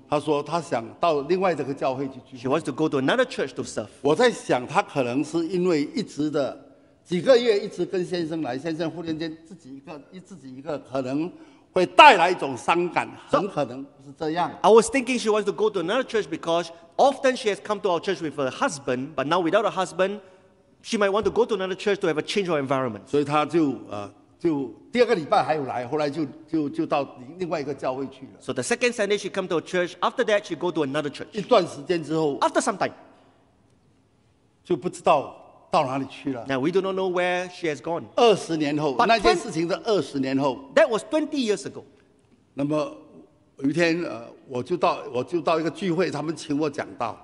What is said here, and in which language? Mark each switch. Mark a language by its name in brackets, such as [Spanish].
[Chinese] 他说他想到另外一个教会去聚会。 [English] She wants to go to another church to serve. [Chinese] 我在想，他可能是因为一直的几个月一直跟先生来，先生忽然间自己一个可能。会带来一种伤感，很可能是这样。 [English] I was thinking she wants to go to another church because often she has come to our church with her husband, but now without a husband, she might want to go to another church to have a change of environment. [Chinese] 所以她就第二个礼拜还有来，后来就到另外一个教会去了。 [English] So the second Sunday she come to a church. After that she go to another church. [Chinese] 一段时间之后 [English] ，After some time， [Chinese] 就不知道。到哪里去了 [English] ？Now we do not know where she has gone. [Chinese] 二十年后，那件事情的二十年后。 [English] That was 20 years ago. [Chinese] 那么有一天，我就到一个聚会，他们请我讲道。